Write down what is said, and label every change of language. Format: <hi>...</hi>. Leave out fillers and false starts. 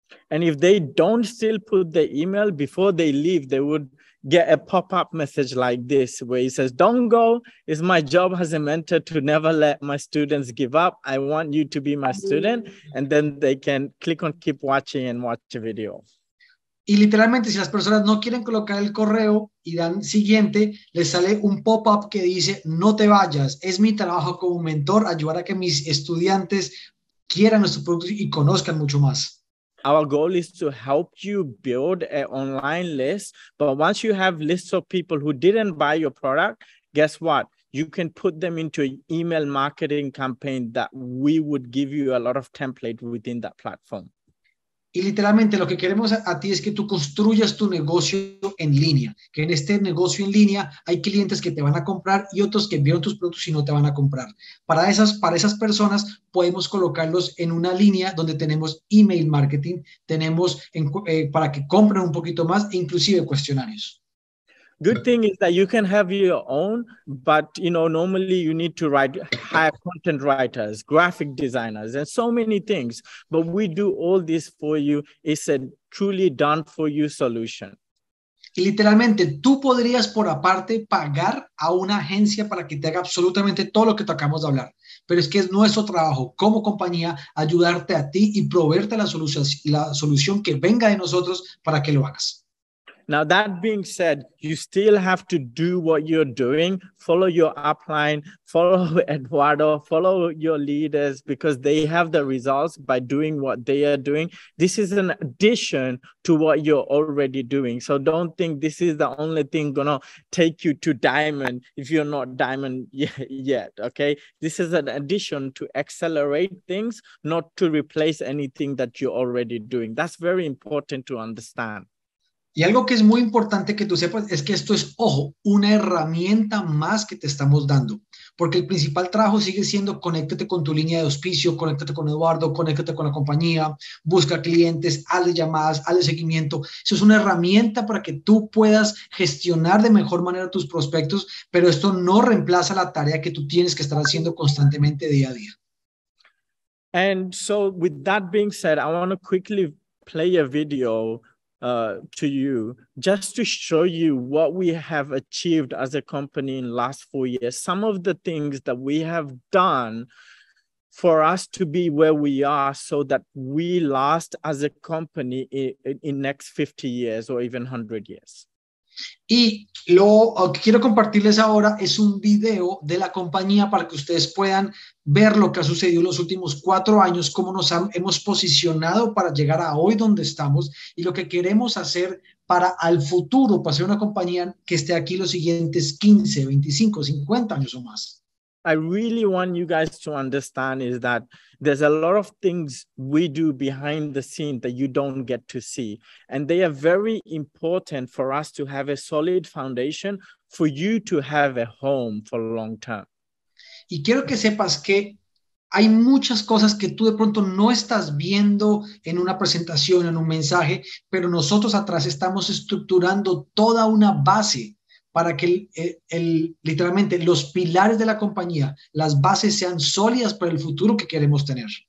<en>And if they don't still put the email before they leave, they would get a pop-up message like this where it says, don't go, it's my job as a mentor to never let my students give up. I want you to be my student. And then they can click on keep watching and watch a video.</en> <es>Y literalmente, si las personas no quieren colocar el correo y dan siguiente, les sale un pop-up que dice, no te vayas, es mi trabajo como mentor ayudar a que mis estudiantes quieran nuestros productos y conozcan mucho más.</es> <en>Our goal is to help you build an online list. But once you have lists of people who didn't buy your product, guess what? You can put them into an email marketing campaign that we would give you a lot of template within that platform.</en> <es>Y literalmente lo que queremos a ti es que tú construyas tu negocio en línea. Que en este negocio en línea hay clientes que te van a comprar y otros que vieron tus productos y no te van a comprar. Para esas personas podemos colocarlos en una línea donde tenemos email marketing, tenemos para que compren un poquito más, inclusive cuestionarios.</es> <en>Good thing is that you can have your own, but you know, normally you need to hire content writers, graphic designers, and so many things. But we do all this for you. It's a truly done for you solution.</en> <es>Y literalmente, tú podrías por aparte pagar a una agencia para que te haga absolutamente todo lo que te acabamos de hablar. Pero es que es nuestro trabajo como compañía ayudarte a ti y proveerte la solución que venga de nosotros para que lo hagas.</es> <en>Now, that being said, you still have to do what you're doing. Follow your upline, follow Eduardo, follow your leaders, because they have the results by doing what they are doing. This is an addition to what you're already doing. So don't think this is the only thing going to take you to diamond if you're not diamond yet, okay? This is an addition to accelerate things, not to replace anything that you're already doing. That's very important to understand.</en> <es>Y algo que es muy importante que tú sepas es que esto es, ojo, una herramienta más que te estamos dando. Porque el principal trabajo sigue siendo conéctate con tu línea de auspicio, conéctate con Eduardo, conéctate con la compañía, busca clientes, hazle llamadas, hazle seguimiento. Eso es una herramienta para que tú puedas gestionar de mejor manera tus prospectos, pero esto no reemplaza la tarea que tú tienes que estar haciendo constantemente día a día.</es> <en>And so with that being said, I want to quickly play a video to you just to show you what we have achieved as a company in last 4 years, some of the things that we have done for us to be where we are so that we last as a company in next 50 years or even 100 years.</en> <es>Y lo que quiero compartirles ahora es un video de la compañía para que ustedes puedan ver lo que ha sucedido en los últimos 4 años, cómo nos hemos posicionado para llegar a hoy donde estamos y lo que queremos hacer para al futuro, para ser una compañía que esté aquí los siguientes 15, 25, 50 años o más.</es> <en>I really want you guys to understand is that there's a lot of things we do behind the scene that you don't get to see. And they are very important for us to have a solid foundation for you to have a home for a long term.</en> <es>Y quiero que sepas que hay muchas cosas que tú de pronto no estás viendo en una presentación, en un mensaje, pero nosotros atrás estamos estructurando toda una base para que literalmente los pilares de la compañía, las bases sean sólidas para el futuro que queremos tener.</es>